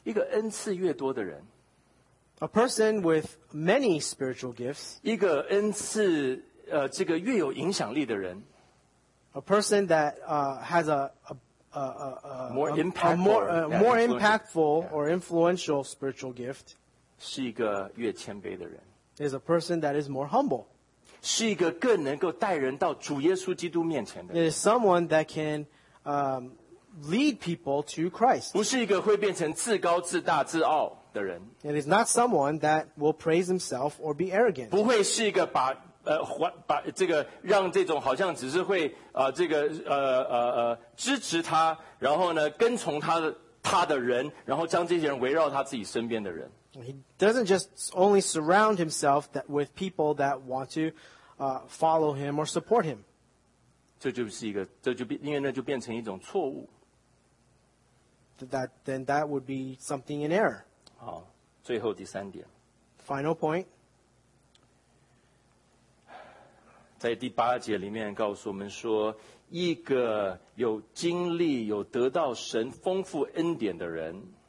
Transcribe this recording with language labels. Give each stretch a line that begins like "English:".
Chinese: 一个恩赐越多的人，
English: a person with many spiritual gifts,
Chinese: 一个恩赐这个越有影响力的人。
English: A person that has a more impactful or influential spiritual gift
Chinese: 是一个越谦卑的人
English: is a person that is more humble
Chinese: 是一个更能够带人到主耶稣基督面前的
English: It is someone that can lead people to Christ
Chinese: 不是一个会变成自高自大自傲的人
English: It is not someone that will praise himself or be arrogant
Chinese: 不会是一个把把这个让这种好像只是会这个支持他然后呢跟从他的人然后将这些人围绕他自己身边的人
English: He doesn't just only surround himself that with people that want to follow him or support him
Chinese: 这就是一个这就因为那就变成一种错误
English: Then that would be something in error
Chinese: 好最后第三点
English: Final point
Chinese: 在第八节里面告诉我们说一个有经历有得到神丰富恩典的人